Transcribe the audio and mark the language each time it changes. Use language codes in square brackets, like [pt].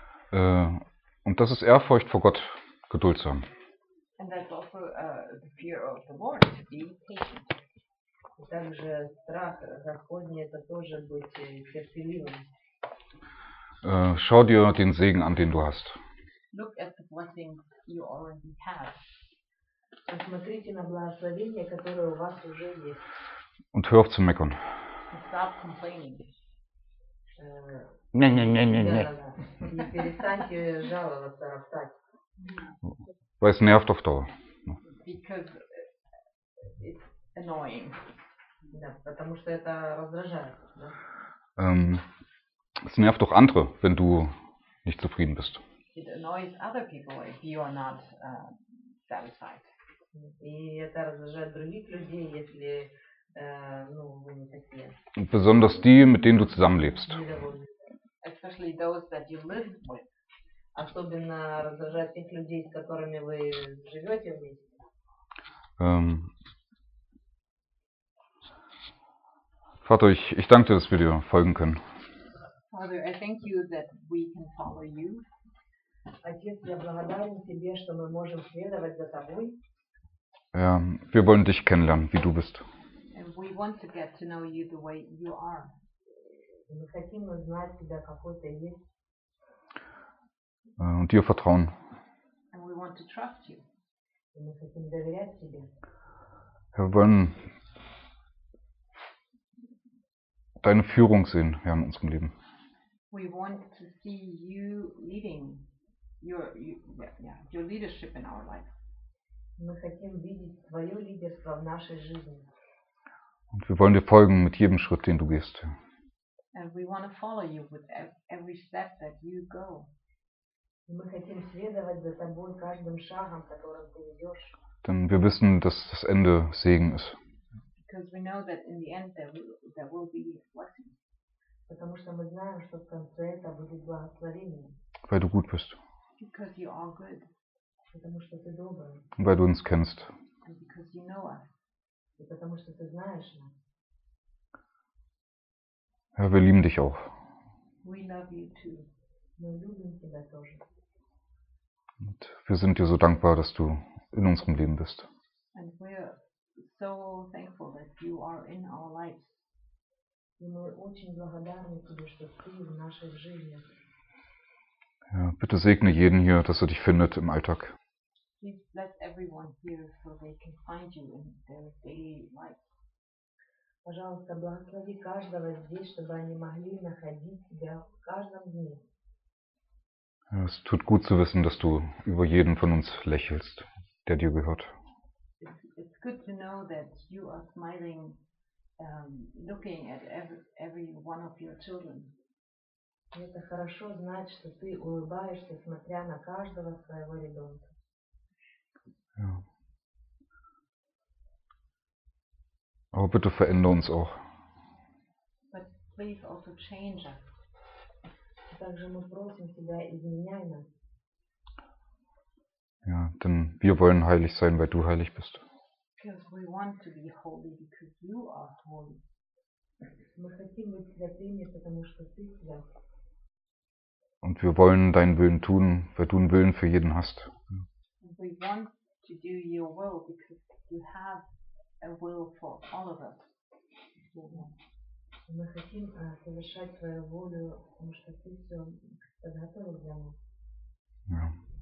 [de] Und das ist Ehrfurcht vor Gott, Geduld zu haben. [en] And that's also the fear of the Lord, to be patient. [ru] И также страх Господний – это тоже быть терпеливым. [de] Schau dir den Segen an, den du hast. [en] Look at the blessings you already have. [ru] Посмотрите на благословение, которое у вас уже есть. [de] Und hör auf zu meckern. [en] Stop complaining. [ru] Не. Не перестаньте жаловаться, роптать. [de] Weil es nervt auf Dauer. [en] Because it's annoying. [ru] Да, потому что это раздражает. [de] Es nervt auch andere, wenn du nicht zufrieden bist. [en] It annoys other people if you are not satisfied. [ru] И это раздражает других людей, если вы не такие. [de] Besonders die, mit denen du zusammenlebst. [en] Especially those that you live with. [ru] Особенно раздражает тех людей, с которыми вы живете вместе. [de] Vater, ich danke dir, dass wir dir folgen können. [en] Father, I thank you that we can follow you. [ru] Отец, я благодарен тебе, что мы можем следовать за тобой. [de] Ja, wir wollen dich kennenlernen, wie du bist. [en] And we want to get to know you the way you are. [ru] Мы хотим узнать тебя, какой ты есть. [de] Und dir vertrauen. [en] And we want to trust you. [ru] И мы хотим доверять тебе. [de] Wir wollen deine Führung sehen, Herr, in unserem Leben. [en] We want to see you leading your leadership in our life. [ru] Мы хотим видеть твое лидерство в нашей жизни. [de] Und wir wollen dir folgen mit jedem Schritt, den du gehst. [en] And we want to follow you with every step that you go. [ru] Мы хотим следовать за тобой каждым шагом, которым ты идешь. [de] Denn wir wissen, dass das Ende Segen ist. [en] Because we know that in the end there will be blessing. [ru] Потому что мы знаем, что в конце это будет благословение. [de] Weil du gut bist. [en] Because you are good. [ru] Потому что ты добрый. [de] Weil du uns kennst. [en] And because you know us. [ru] И потому что ты знаешь нас. [de] Ja, wir lieben dich auch. [en] We love you too. [ru] Мы любим тебя тоже. [de] Und wir sind dir so dankbar, dass du in unserem Leben bist. [en] And we are so thankful that you are in our lives. [ru] И мы очень благодарны тебе, что ты в нашей жизни. [de] Ja, bitte segne jeden hier, dass er dich findet im Alltag. [en] Please bless everyone here, so they can find you in their daily life. [ru] Пожалуйста, благослови каждого здесь, чтобы они могли находить себя в каждом дне. [de] Ja, es tut gut zu wissen, dass du über jeden von uns lächelst, der dir gehört. [en] It's good to know that you are smiling, looking at every one of your children. [ru] Это хорошо знать, что ты улыбаешься, смотря на каждого своего ребенка. [de] Ja. Aber bitte verändere uns auch. [en] But please also change us. [ru] Также мы просим тебя, изменяй нас. [de] Ja, denn wir wollen heilig sein, weil du heilig bist. [en] Because we want to be holy because you are holy. [ru] Мы хотим быть святыми, потому что ты свят. [de] Und wir wollen deinen Willen tun, weil du einen Willen für jeden hast. [en] We want to do your will because you have a will for all of us. [ru] Мы хотим совершать твою волю, потому что ты все подготовил для нас.